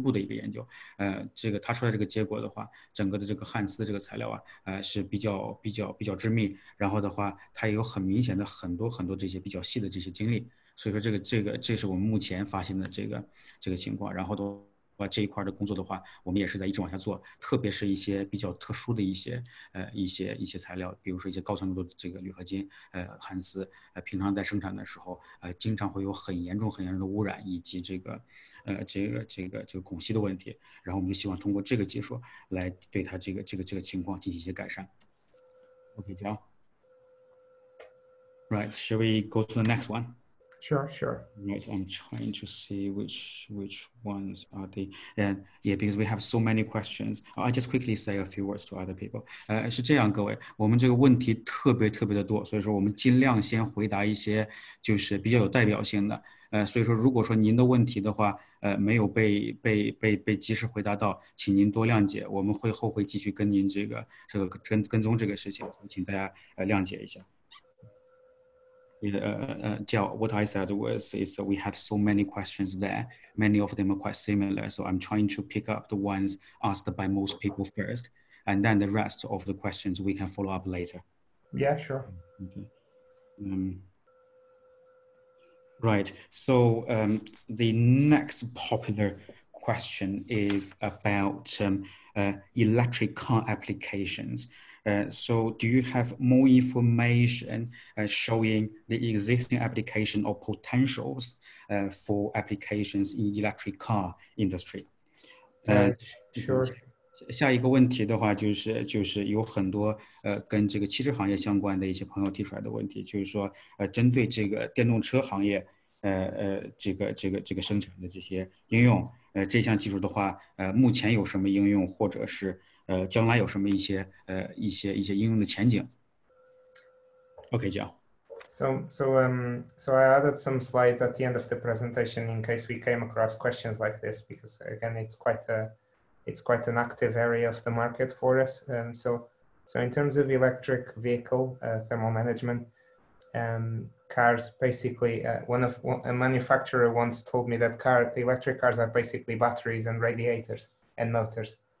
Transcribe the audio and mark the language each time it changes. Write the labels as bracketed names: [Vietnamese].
[English] 个 one? Sure. Right, I'm trying to see which ones are the, yeah, because we have so many questions. I just quickly say a few words to other people. [Chinese] 是这样各位，我们这个问题特别特别的多，所以说我们尽量先回答一些就是比较有代表性的。所以说如果说您的问题的话，没有被及时回答到，请您多谅解，我们会后会继续跟您这个跟踪这个事情，请大家谅解一下。 [English] What I said was, is that we had so many questions there. Many of them are quite similar. So I'm trying to pick up the ones asked by most people first, and then the rest of the questions we can follow up later. Yeah, sure. Okay. Right. So the next popular question is about electric car applications. So do you have more information showing the existing application or potentials for applications in electric car industry? Sure. [Chinese] 下一个问题的话就是有很多跟这个汽车行业相关的一些朋友提出来的问题，就是说针对这个电动车行业这个生产的这些应用，这项技术的话目前有什么应用，或者是将来有什么一些应用的前景。 [English] Okay, Joe. So I added some slides at the end of the presentation in case we came across questions like this, because again, it's quite an active area of the market for us. So in terms of electric vehicle thermal management, cars basically, a manufacturer once told me that electric cars are basically batteries and radiators and motors.